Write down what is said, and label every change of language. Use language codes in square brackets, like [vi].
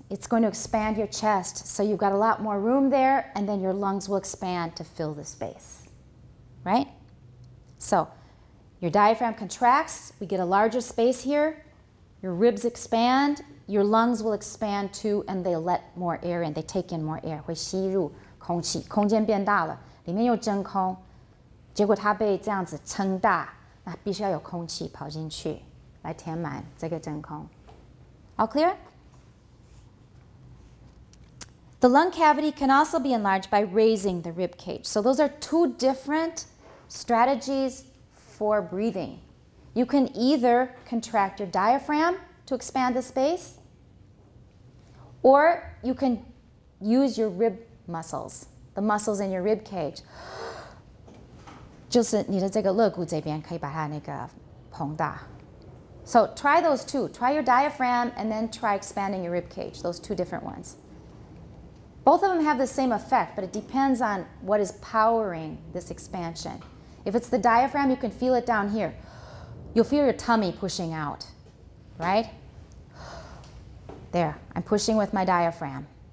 [en] It's going to expand your chest, so you've got a lot more room there, and then your lungs will expand to fill the space, right? So your diaphragm contracts, we get a larger space here, your ribs expand, your lungs will expand too, and they let more air in, they take in more air. [zh] 会吸入空气，空间变大了，里面又真空，结果它被这样子撑大，那必须要有空气跑进去，来填满这个真空。 [en] All clear? The lung cavity can also be enlarged by raising the rib cage. So those are two different strategies for breathing. You can either contract your diaphragm to expand the space, or you can use your rib muscles, the muscles in your rib cage. [zh] 就是你的这个肋骨这边可以把它那个膨大。 [en] So try those two. Try your diaphragm and then try expanding your rib cage, those two different ones. Both of them have the same effect, but it depends on what is powering this expansion. If it's the diaphragm, you can feel it down here. you'll feel your tummy pushing out, right? There, I'm pushing with my diaphragm.